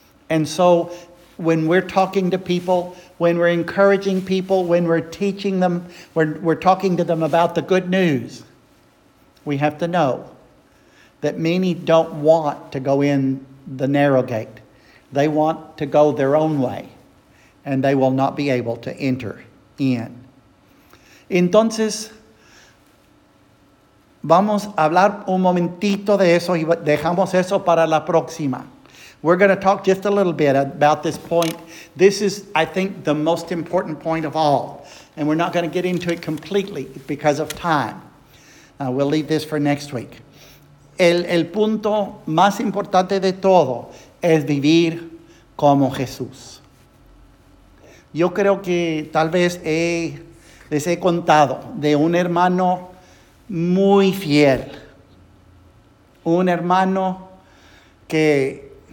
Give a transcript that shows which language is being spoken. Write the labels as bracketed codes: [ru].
[en] And so when we're talking to people, when we're encouraging people, when we're teaching them, we're talking to them about the good news, we have to know that many don't want to go in the narrow gate. They want to go their own way. And they will not be able to enter in. [es] Entonces, vamos a hablar un momentito de eso y dejamos eso para la próxima. [en] We're going to talk just a little bit about this point. This is, I think, the most important point of all. And we're not going to get into it completely because of time. We'll leave this for next week. [es] El punto más importante de todo es vivir como Jesús. Yo creo que tal vez les he contado de un hermano muy fiel, un hermano que